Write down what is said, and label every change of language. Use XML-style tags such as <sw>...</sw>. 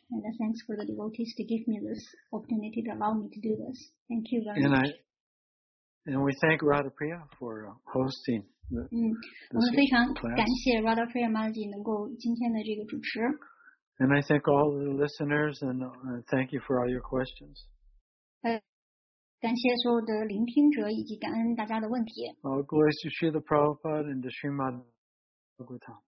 <en>And thanks for the devotees to give me this opportunity to allow me to do this. Thank you very much. And we thank Radha Priya for hosting this class. And I thank all the listeners and thank you for all your questions.</en> <zh>感谢所有的聆听者以及感恩大家的问题。</zh> <en>All glories to Srila Prabhupada and to Srimad Bhagavatam.</en>